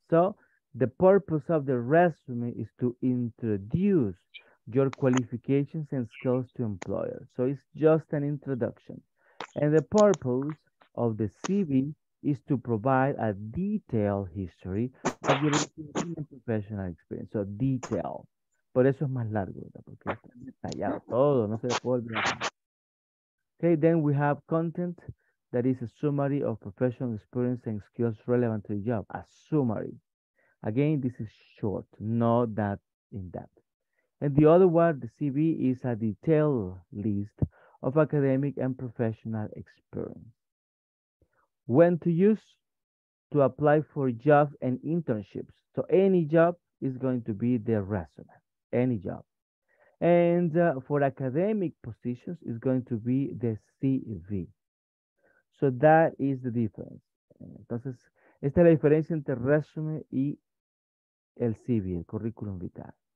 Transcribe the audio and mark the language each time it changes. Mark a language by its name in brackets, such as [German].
[English] So, the purpose of the resume is to introduce your qualifications and skills to employers. So, it's just an introduction. And the purpose of the CV is to provide a detailed history of your professional experience. [Spanish] So, detail. Por eso es más largo, ¿verdad? Porque está detallado todo, no se le puede olvidar. [English] Okay, then we have content that is a summary of professional experience and skills relevant to the job. A summary. Again, this is short, not that in depth. And the other one, the CV, is a detailed list of academic and professional experience. When to use? To apply for jobs and internships. So any job is going to be the resume. Any job. And for academic positions, it's going to be the CV. So that is the difference. [Spanish] Entonces, esta es la diferencia entre resume y el CV, el currículum vitae.